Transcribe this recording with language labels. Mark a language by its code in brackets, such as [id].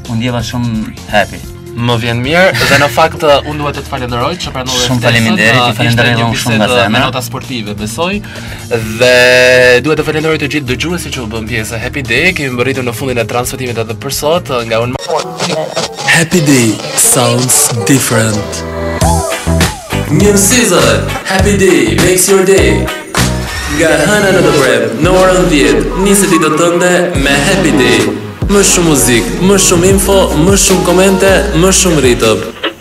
[sq] Undjeve shumë happy. më vjen mirë dhe në fakt unë duhet të të falenderoj që pranove. Shumë faleminderit, ju falenderoj shumë nga zemra. një bisedë me nota sportive, besoj. Dhe duhet të falenderoj të gjithë dëgjuesit që u bën pjesë. Happy Day, kemi mbërritur në fundin e transmetimit edhe për sot nga unë. [en] Happy Day sounds different. New season, Happy Day makes your day. [sq] Nga hëna në The Prep, në orën 10, nisë ditën tënde me Happy Day. Më shumë muzik, më shumë info, më shumë komente, më shumë ritëp.